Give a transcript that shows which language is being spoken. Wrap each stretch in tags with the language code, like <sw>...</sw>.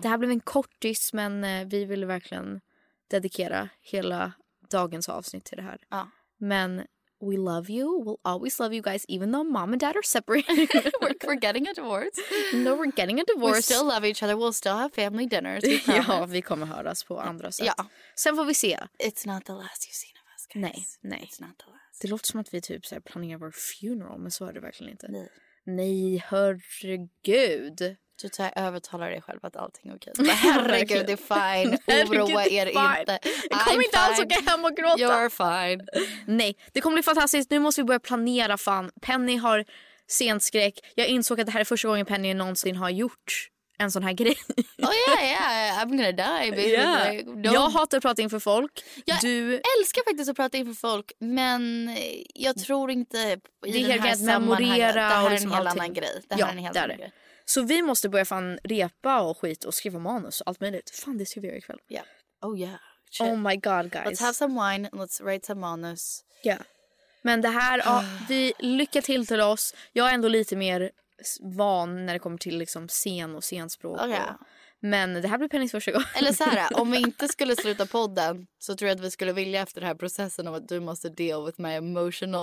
<sv>Det här blev en kortis, men vi ville verkligen dedikera hela dagens avsnitt till det här.</sv> <en>Oh. Men... We love you. We'll always love you guys, even though mom and dad are separated. we're getting a divorce. No, we're getting a divorce. We still love each other. We'll still have family dinners.</en> <sv>Ja, vi kommer höras på andra sätt. Ja. Sen får vi se.</sv> <en>It's not the last you've seen of us, guys.</en> <sv>Nej, nej.</sv> <en>It's not the last.</en> <sv>Det låter som att vi typ så här planerar vår funeral, men så är det verkligen inte. Nej. Nej, herregud. Du tar övertala dig själv att allting är okej. Herregud, det är fine. Oroa er inte. Kom inte alls åka hem och gråta.</sv> <en>You're fine.</en> <sv>Nej, det kommer bli fantastiskt. Nu måste vi börja planera, fan. Penny har sent skräck. Jag insåg att det här är första gången Penny någonsin har gjort en sån här grej.</sv> <en>Oh yeah, yeah. I'm gonna die, baby. Yeah.</en> <sv>Like, jag hatar att prata inför folk. Jag älskar faktiskt att prata inför folk, men jag tror inte i det här sammanhanget. Det här är en helt annan grej. Det här är en helt annan grej. Så vi måste börja fan repa och skit och skriva manus och allt möjligt. Fan, det ska vi göra ikväll.</sv> <en>Yeah. Oh yeah. Shit. Oh my god, guys. Let's have some wine and let's write some manus. Yeah.</en> <sv>Men det här, vi lycka till oss. Jag är ändå lite mer van när det kommer till liksom scen och scenspråk.</sv> <en>Okay.</en> <sv>Men det här blir Pennys första gång. Eller så här, om vi inte skulle sluta podden så tror jag att vi skulle vilja efter den här processen av att du måste deal with my emotional</sv>